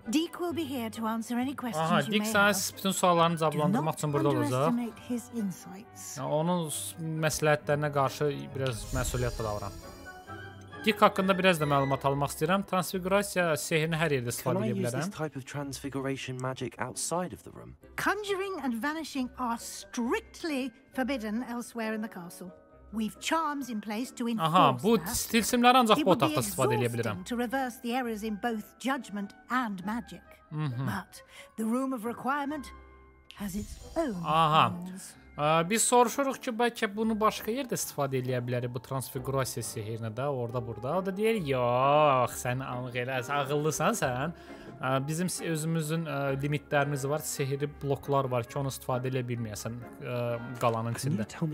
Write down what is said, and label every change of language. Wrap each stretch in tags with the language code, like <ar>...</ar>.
<az>Aha, Dick sənə bütün suallarını cavablandırmaq üçün burada olacaq. Onun məsləhətlərinə qarşı biraz məsuliyyət davran. Dick haqqında biraz da məlumat almaq istəyirəm. Transfigurasiya sehrini hər yerdə istifadə edə bilərəm.</az> <en>Conjuring and vanishing are strictly forbidden elsewhere in the castle. We've charms in place to enforce.</en> <az>Aha, bu stilsimləri ancaq bu otaqda istifadə edə bilərəm.</az> <en>To reverse the errors in both judgment and magic. But the room of requirement has its own. Aha.</en> <az>Biz soruşuruq ki, bəlkə bunu başqa yerdə istifadə edə bilərik bu transfigurasiya sehrini də, orada burada. O da deyir, "Yox, sən ağıl eləsə, ağıllısan sən. Bizim özümüzün limitlərimiz var, sehri bloklar var ki, onu istifadə edə bilməyəsən qalanın içində."</az>